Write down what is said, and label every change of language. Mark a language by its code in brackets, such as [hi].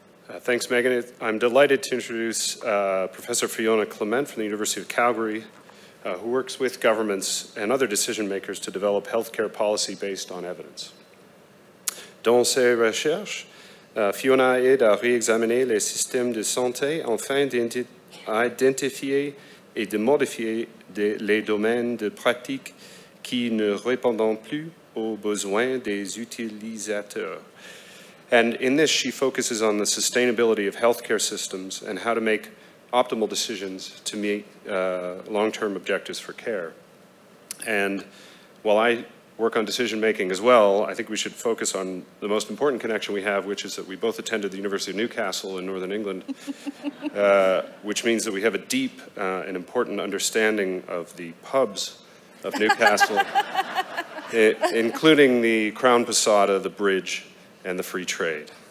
[en] Thanks, Megan. I'm delighted to introduce Professor Fiona Clement from the University of Calgary, who works with governments and other decision makers to develop healthcare policy based on evidence. [fr] Dans ses recherches, Fiona aide à réexaminer les systèmes de santé afin d'identifier et de modifier les domaines de pratiques qui ne répondent plus aux besoins des utilisateurs. [en] And in this, she focuses on the sustainability of healthcare systems and how to make optimal decisions to meet long-term objectives for care. And while I work on decision-making as well, I think we should focus on the most important connection we have, which is that we both attended the University of Newcastle in Northern England, which means that we have a deep and important understanding of the pubs of Newcastle, including the Crown Posada, the Bridge, and the free trade.